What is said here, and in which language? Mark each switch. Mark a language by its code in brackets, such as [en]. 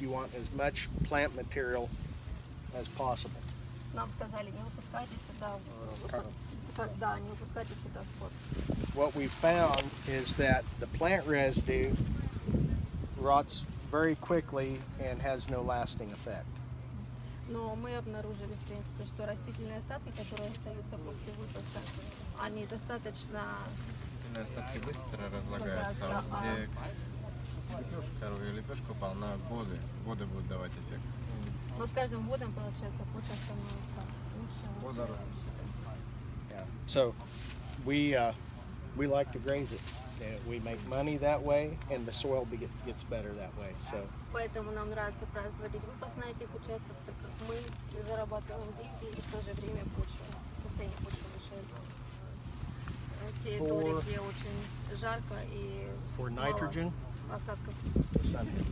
[en] You want as much plant material as possible. [ru] Нам сказали, не выпускайте сюда. Да, не выпускайте сюда скот. [en] What we found is that the plant residue rots very quickly and has no lasting effect. [ru] Но мы обнаружили, в принципе, что растительные остатки, которые остаются после выпаса, они достаточно... Растительные остатки быстро разлагаются. Вот где коровья лепешка упала, на годы. Годы будут давать эффект. Но с каждым годом, получается, почва становится лучше. [en] So, we like to graze it. We make money that way, and the soil gets better that way. So. [ru] Поэтому нам нравится производить выпас на этих участках, так как мы зарабатываем деньги и в то же время почва, состояние почвы улучшается. Территории, где очень жарко и [en] for nitrogen, [ru] мало осадков. [en] The sun.